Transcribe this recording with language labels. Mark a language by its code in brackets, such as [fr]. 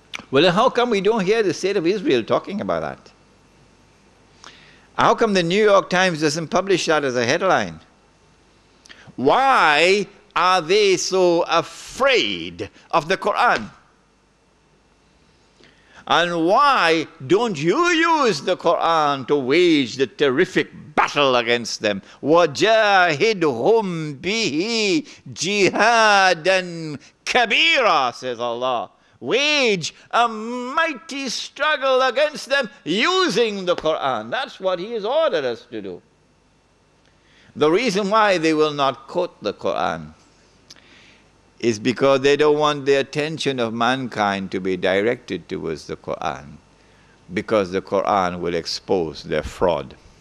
[en] Well, how come we don't hear the state of Israel talking about that? How come the New York Times doesn't publish that as a headline? Why are they so afraid of the Quran? And why don't you use the Quran to wage the terrific battle against them? [ar] وَجَاهِدْهُمْ بِهِ جِهَادًا كَبِيرًا, [en] says Allah. Wage a mighty struggle against them using the Quran. That's what He has ordered us to do. The reason why they will not quote the Quran is because they don't want the attention of mankind to be directed towards the Quran, because the Quran will expose their fraud.